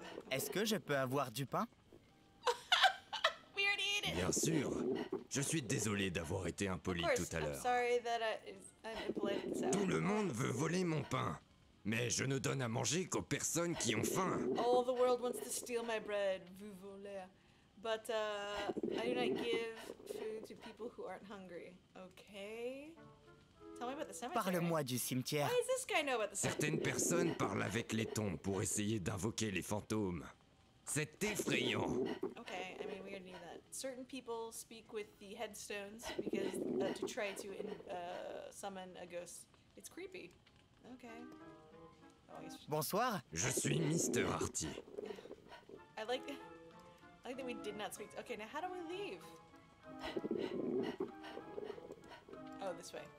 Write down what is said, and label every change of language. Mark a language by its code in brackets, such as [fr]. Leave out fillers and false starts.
[fr] Est-ce que je peux avoir du pain? [en] We already ate it! [fr] Bien sûr! Je suis désolé d'avoir été impoli tout à l'heure. [en] Of course, I'm sorry that I'm impolite, so... [fr] Tout le monde veut voler mon pain. Mais je ne donne à manger qu'aux personnes qui ont faim. [en] All the world wants to steal my bread, [fr] vous voler. [en] But, I do not give food to people who aren't hungry, okay? Tell me about the cemetery. [fr] Parle-moi du cimetière. [en] Why does this guy know about the cemetery? [fr] Certaines personnes parlent avec les tombes pour essayer d'invoquer les fantômes. C'est effrayant. [en] Okay, I mean, we already knew that. Certain people speak with the headstones because to try to summon a ghost. It's creepy. Okay. [fr] Oh, bonsoir. Je suis Mr. Artie. [en] I like that we did not speak. Okay, now how do we leave? Oh, this way.